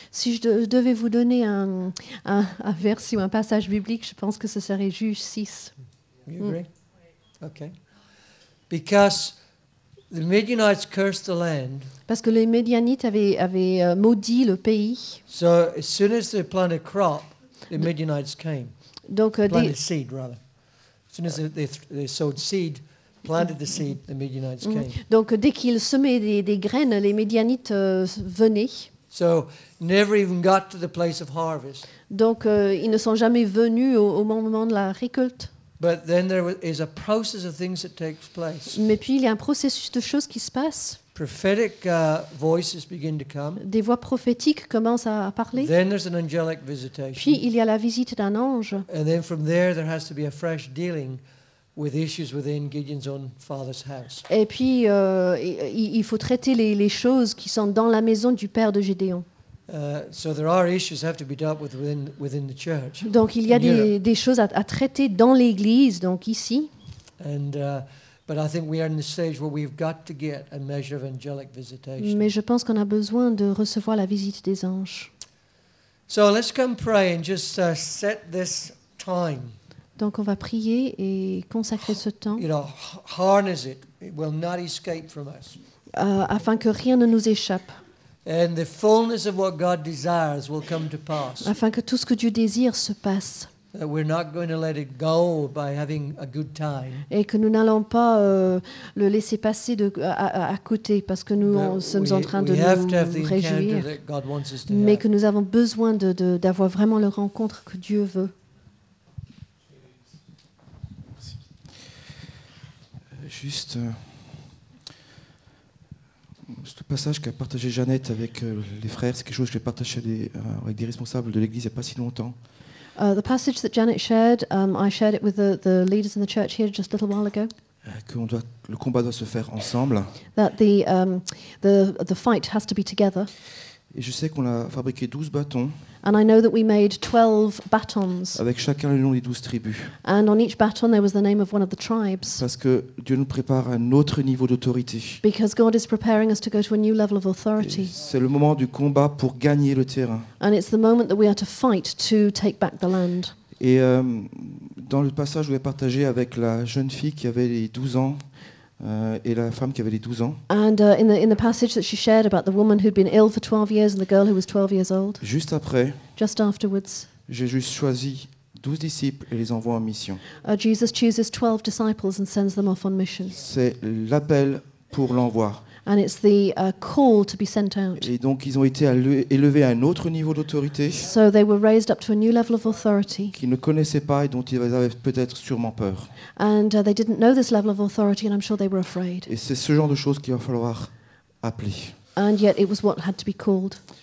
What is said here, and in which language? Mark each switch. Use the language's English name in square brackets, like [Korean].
[French] Si je devais vous donner un verset ou un passage biblique, je pense que ce serait Juges 6. [English] You agree? Okay. Because the Midianites cursed the land. [French] Parce que les Midianites avaient maudit le pays. [English] So as soon as they planted crop, the Midianites came. [French] Donc [English] planted seed rather. As soon as they sowed seed, planted the seed, the Midianites came. [French] Donc dès qu'ils semaient des graines, les Midianites venaient. [English] So never even got to the place of harvest. [French] Donc ils ne sont jamais venus au moment de la récolte. [English] But then there is a process of things that takes place. [French] Mais puis il y a un processus de choses qui se passe. [English] Prophetic voices begin to come. [French] Des voix prophétiques commencent à parler. [English] Then there's an angelic visitation. [French] Puis il y a la visite d'un ange. [English] And then from there there has to be a fresh dealing with issues within Gideon's own father's house. [French] Et puis il faut traiter les choses qui sont dans la maison du père de Gédéon. [English] So there are issues have to be dealt with within the church. [French] Donc il y a des choses à traiter dans l'église, donc ici. [English] And but I think we are in the stage where we've got to get a measure of angelic visitation. [French] Mais je pense qu'on a besoin de recevoir la visite des anges. [English] So let's come pray and just set this time. [French] Donc on va prier et consacrer ce temps. [English] You know, harness it. It will not escape from us. [French] Afin que rien ne nous échappe. [English] And the fullness of what God desires will come to pass. [French] Afin que tout ce que Dieu désire se passe. [English] That we're not going to let it go by having a good time. [French] Et que nous n'allons pas le laisser passer à côté parce que nous sommes en train de nous réjouir. Mais que nous avons besoin d'avoir vraiment la rencontre que Dieu veut. Juste. Ce passage qu'a partagé Jeannette avec les frères, c'est quelque chose que j'ai partagé avec des responsables de l'église il n'y a pas si longtemps. [English] The passage that Janet shared, I shared it with the leaders in the church here just a little while ago. [French] Le combat doit se faire ensemble. [English] That the fight has to be together. [French] Et je sais qu'on a fabriqué 12 bâtons. [English] And I know that we made 12 batons. [French] Avec chacun le nom des 12 tribus. [English] And on each baton there was the name of one of the tribes. [French] Parce que Dieu nous prépare un autre niveau d'autorité. [English] Because God is preparing us to go to a new level of authority. Et [French] c'est le moment du combat pour gagner le terrain. [English] And it's the moment that we are to fight to take back the land. [French] Et dans le passage où j'ai partagé avec la jeune fille qui avait les 12 ans. Et la femme qui avait les 12 ans. [English] And in the passage that she shared about the woman who'd been ill for 12 years and the girl who was 12 years old. [French] Juste après. [English] Just afterwards. [French] J'ai juste choisi 12 disciples et les envoie en mission. [English] Jesus chooses 12 disciples and sends them off on mission. [French] C'est l'appel pour l'envoi. [English] And it's the call to be sent out. [French] Et donc ils ont été élevés à un autre niveau d'autorité. [English] So they were raised up to a new level of authority. [French] Qu'ils ne connaissaient pas et dont ils avaient peut-être sûrement peur. [English] And they didn't know this level of authority and I'm sure they were afraid. [French] Et c'est ce genre de choses qu'il va falloir appeler. [English] And yet it was what had to be called.